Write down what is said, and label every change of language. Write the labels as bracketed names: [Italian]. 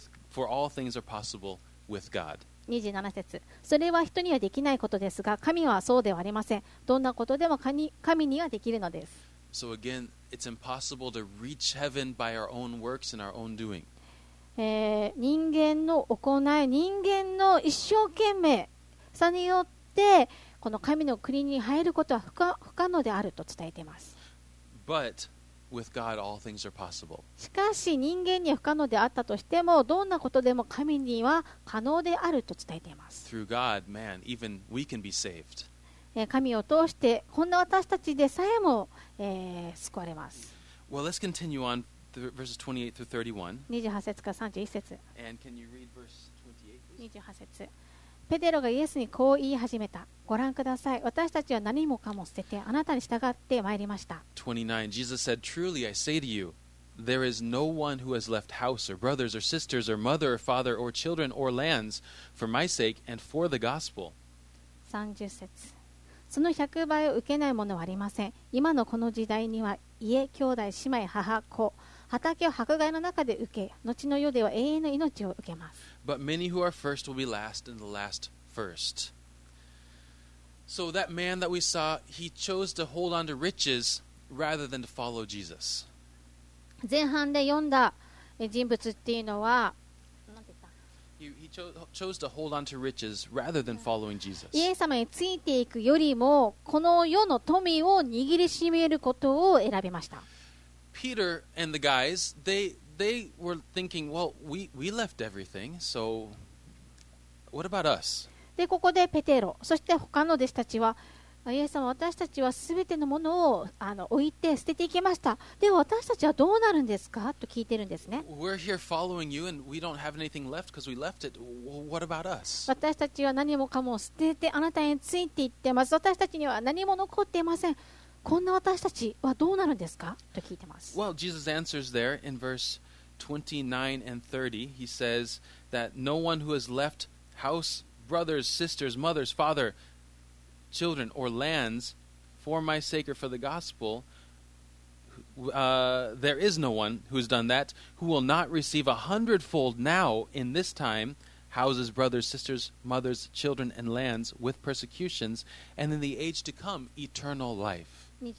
[English] For all things are possible with God. [Japanese] 27節、それは人にはできないことですが、神はそうではありません。どんなことでも神にはできるのです。 [English] So again, it's impossible to reach heaven by our own works and our own doing. [Japanese] 人間の行い、人間の一生懸命さによって、この神の国に入ることは不可能であると伝えています。 [English] But with God, all things are possible. [Japanese] しかし人間には不可能であったとしてもどんなことでも神には可能であると伝えています。 [English] Through God, man, even we can be saved. [Japanese] 神を通してこんな私たちでさえも、救われます。 [English] Well, let's continue on verses 28 through 31. [Japanese] 28節から31節。 [English] And can you read verse 28, please? [Japanese] 28節。ペテロがイエスにこう言い始めた。ご覧ください。私たちは何もかも捨ててあなたに従ってまいりました。 [English] 29. Jesus said, Truly I say to you, There is no one who has left house or brothers or sisters or mother or father or children or lands for my sake and for the gospel. [Japanese] 30節。その100倍を受けないものはありません。今のこの時代には家、兄弟、姉妹、母、子、畑を迫害の中で受け、後の世では永遠の命を受けます。 [English] But many who are first will be last and the last first. So that man that we saw, he chose to hold on to riches rather than to follow Jesus. [Japanese] 前半で読んだ人物っていうのは、 [English] He chose to hold on to riches rather than following Jesus. [Japanese] イエス様についていくよりもこの世の富を握りしめることを選びました。 [English] Peter and the guys, they were thinking, well, we left everything, so what about us? [Japanese] でここでペテロ、そして他の弟子たちは、イエス様、私たちはすべてのものを置いて捨てていきました。で、私たちはどうなるんですかと聞いてるんですね。 [English] We're here following you and we don't have anything left because we left it. What about us? [Japanese] 私たちは何もかも捨ててあなたについて行ってます。私たちには何も残っていません。こんな私たちはどうなるんですかと聞いてます。 [English] Well, Jesus answers there in verse 29 and 30. He says that no one who has left house, brothers, sisters, mothers, father,Children or lands for my sake or for the gospel, there is no one who's done that who will not receive a hundredfold now in this time houses, brothers, sisters, mothers, children, and lands with persecutions, and in the age to come, eternal life.